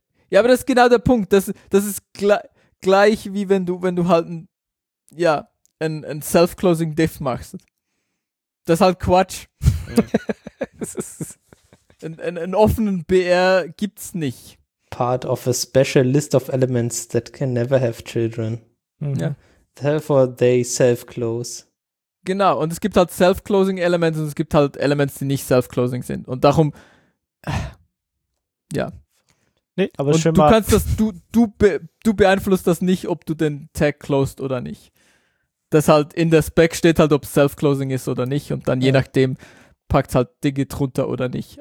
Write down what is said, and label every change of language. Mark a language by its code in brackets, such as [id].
[de] Ja, aber das ist genau der Punkt. Das ist gleich wie wenn du halt ein Self-Closing Diff machst. Das ist halt Quatsch. Einen offenen BR gibt's nicht. [en] Part of a special list of elements that can never have children. [de] Mhm. Ja. [en] Therefore they self-close. [de] Genau, und es gibt halt Self-Closing-Elements und es gibt halt Elements, die nicht Self-Closing sind. Und darum, ja. Nee, aber und schön du mal. Kannst das, du beeinflusst das nicht, ob du den Tag closed oder nicht. Das halt in der Spec steht halt, ob Self-Closing ist oder nicht und dann je nachdem packt es halt Dinge drunter oder nicht.